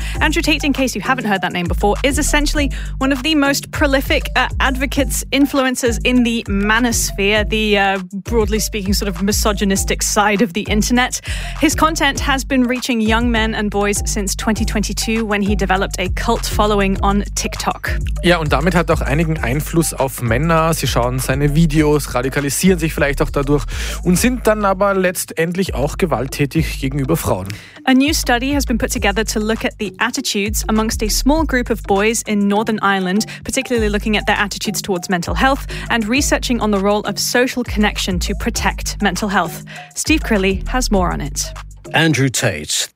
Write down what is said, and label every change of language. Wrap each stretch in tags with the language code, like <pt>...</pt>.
<en>Andrew Tate, in case you haven't heard that name before, is essentially one of the most prolific advocates, influencers in the manosphere, the broadly speaking sort of misogynistic side of the internet. His content has been reaching young men and boys since 2022, when he developed a cult following on TikTok.</en> <de>Ja, und damit hat auch einigen Einfluss auf Männer. Sie schauen seine Videos, radikalisieren sich vielleicht auch dadurch und sind dann aber letztendlich auch gewalttätig gegenüber Frauen.</de> <en>A new study has been put together to look at the attitudes amongst a small group of boys in Northern Ireland, particularly looking at their attitudes towards mental health and researching on the role of social connection to protect mental health. Steve Crilly has more on it. Andrew Tate.</en>